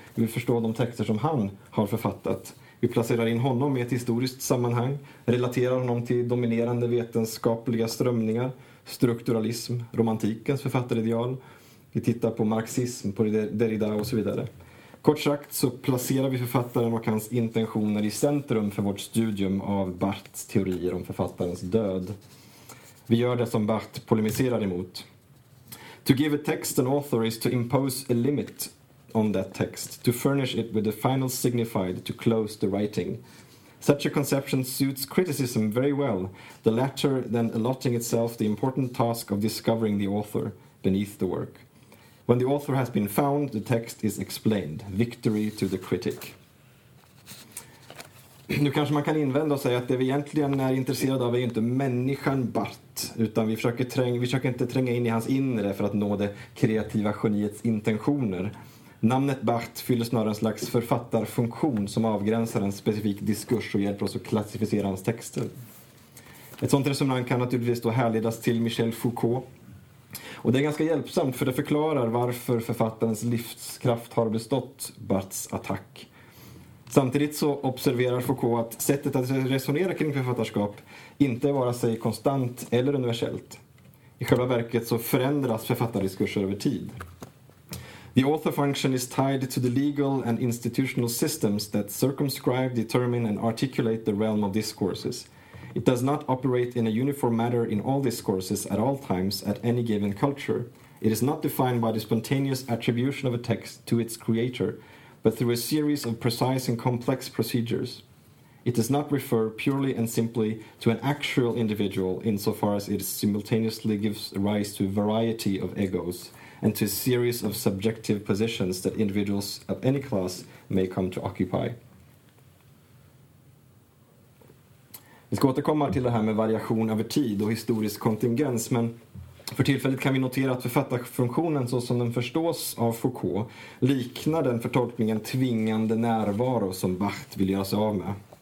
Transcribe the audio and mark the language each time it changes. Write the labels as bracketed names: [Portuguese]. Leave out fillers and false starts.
[Swedish] Vi vill förstå de texter som han har författat. Vi placerar in honom i ett historiskt sammanhang, relaterar honom till dominerande vetenskapliga strömningar, strukturalism, romantikens författarideal. Vi tittar på marxism, på Derrida och så vidare. Kort sagt så placerar vi författaren och hans intentioner i centrum för vårt studium av Barthes teorier om författarens död. Vi gör det som Barthes polemiserar emot. [English] To give a text an author is to impose a limit on that text, to furnish it with the final signified to close the writing. Such a conception suits criticism very well, the latter then allotting itself the important task of discovering the author beneath the work. When the author has been found, the text is explained. Victory to the critic. [Swedish] Nu kanske man kan invända och säga att det vi egentligen är intresserade av är inte människan Barthes, utan vi försöker inte tränga in i hans inre för att nå det kreativa geniets intentioner. Namnet Barthes fyller snarare en slags författarfunktion som avgränsar en specifik diskurs och hjälper oss att klassificera hans texter. Ett sånt resonemang kan naturligtvis då härledas till Michel Foucault. Och det är ganska hjälpsamt, för det förklarar varför författarens livskraft har bestått Barthes attack. Samtidigt så observerar Foucault att sättet att resonera kring författarskap inte är vare sig konstant eller universellt. I själva verket så förändras författardiskurser över tid. [English] The author function is tied to the legal and institutional systems that circumscribe, determine and articulate the realm of discourses. It does not operate in a uniform manner in all discourses at all times at any given culture. It is not defined by the spontaneous attribution of a text to its creator, but through a series of precise and complex procedures. It does not refer purely and simply to an actual individual insofar as it simultaneously gives rise to a variety of egos and to a series of subjective positions that individuals of any class may come to occupy. [Swedish] Vi ska återkomma till det här med variation över tid och historisk kontingens, men för tillfället kan vi notera att författarfunktionen så som den förstås av Foucault liknar den förtolkningen tvingande närvaro som Barthes vill göra sig av med.